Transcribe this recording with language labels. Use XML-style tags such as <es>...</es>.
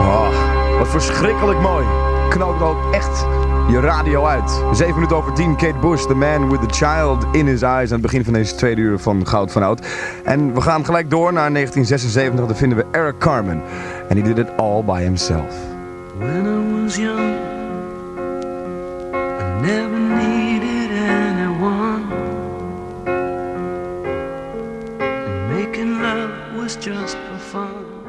<nl>Oh, wat verschrikkelijk mooi. Knalt ook echt je radio uit. 7 minuten over 10. Kate Bush, The Man with the Child in His Eyes. Aan het begin van deze tweede uur van Goud van Oud. En we gaan gelijk door naar 1976. Daar vinden we Eric Carmen. En</nl> <en>he did it all by himself. When I was young, I never needed anyone. And making love was just for fun.</en>